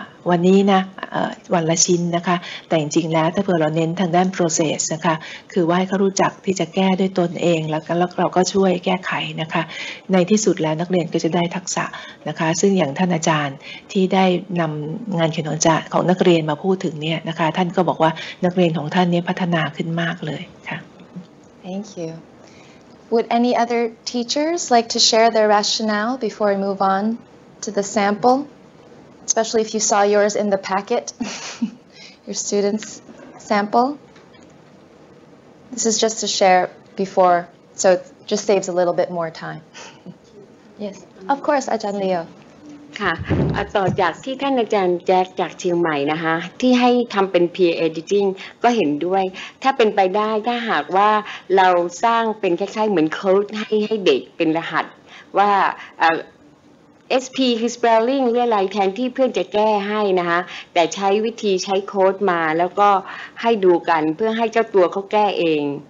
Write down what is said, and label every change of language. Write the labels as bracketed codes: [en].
[th] วันนี้นะวันละชิ้นนะคะแต่จริงๆแล้วถ้าเผื่อเราเน้นทางด้าน process นะคะคือว่าให้เขารู้จักที่จะแก้ด้วยตนเองแล้วเราก็ช่วยแก้ไขนะคะในที่สุดแล้วนักเรียนก็จะได้ทักษะนะคะซึ่งอย่างท่านอาจารย์ที่ได้นำงานเขียนของนักเรียนมาพูดถึงเนี่ยนะคะท่านก็บอกว่านักเรียนของท่านเนี่ยพัฒนาขึ้นมากเลยค่ะ [en] Thank you Would any other teachers like to share their rationale before we move on to the sample? Especially if you saw yours in the packet, your student's sample. This is just to share before, so it just saves a little bit more time. Yes, of course, Ajahn Leo. [th] ค่ะต่อจากที่ท่านอาจารย์แจ็คจากเชียงใหม่นะคะที่ให้ทำเป็น peer editing ก็เห็นด้วยถ้าเป็นไปได้ถ้าหากว่าเราสร้างเป็นคล้ายๆเหมือน code ให้เด็กเป็นรหัสว่าSP คือ spelling หรืออะไรแทนที่เพื่อนจะแก้ให้นะคะแต่ใช้วิธีใช้โค้ดมาแล้วก็ให้ดูกันเพื่อให้เจ้าตัวเขาแก้เอง